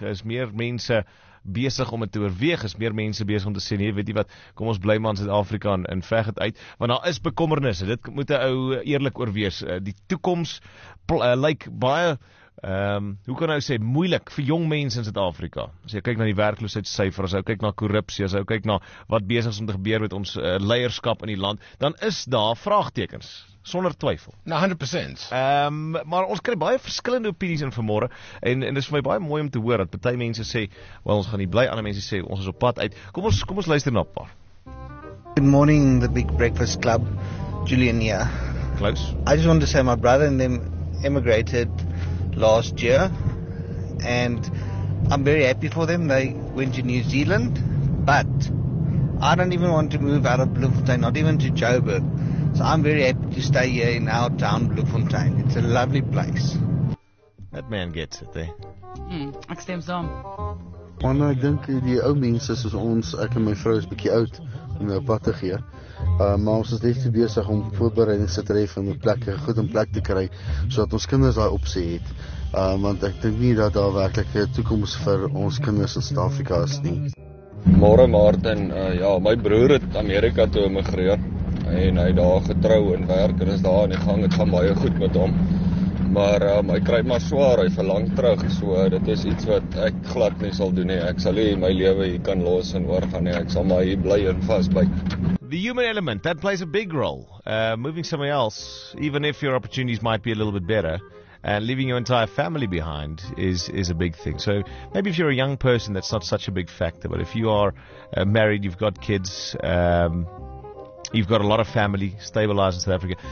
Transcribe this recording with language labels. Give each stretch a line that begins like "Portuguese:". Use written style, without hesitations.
Afrikaans: Is meer mense besig om het te oorweeg, is meer mense besig om te sê, nee, weet jy wat, kom ons bly maar in Suid-Afrika en veg het uit, want daar is bekommernisse, dit moet 'n ou eerlik oorwees, die toekoms lyk baie, hoe kan nou sê, moeilik vir jong mense in Suid-Afrika, as jy kyk na die werkloosheidssyfer, as jy kyk na korrupsie, as jy kyk na wat besig is om te gebeur met ons leierskap in die land, dan is daar vraagtekens. Sonder twyfel. 100%. Maar ons kry baie verskillende opinies in vanmôre en dit is vir my baie mooi om te hoor dat party mense sê, "Wel, ons gaan nie bly," ander mense sê, "Ons is op pad uit." Kom ons luister na 'n paar.
English: Good morning, the Big Breakfast Club. Julian here. Close. I just wanted to say my brother and them emigrated last year and I'm very happy for them. They went to New Zealand, but I don't even want to move out of Bloemfontein, not even to Joburg. So I'm very happy to stay here in our town, Bloemfontein. It's a lovely place. That man gets it, eh?
Afrikaans: Ek stem saam. Want ek dink die ou mense soos ons, ek en my vrou is bietjie oud om nou pad te gee. Maar ons is liefde besig om voorbereidings te tref en goed in plek te kry, sodat ons kinders daai opsie het. Want ek dink nie dat daar werklik 'n toekoms vir ons kinders in Suid-Afrika is nie. Môre Martin, my broer het Amerika toe emigreer. En hy daar getrou en werk en is daar aan die gang, het gaan baie goed met hom. Maar hy kry maar swaar, hy verlang terug, so dit is iets wat ek glad nie sal doen nie. Ek sal nie my lewe hier kan los en oorgaan nie, ek sal maar hier bly en vasbyt.
English: The human element, that plays a big role. Moving somewhere else, even if your opportunities might be a little bit better, and leaving your entire family behind is a big thing. So maybe if you're a young person, that's not such a big factor, but if you are married, you've got kids, you've got a lot of family stabilized in South Africa.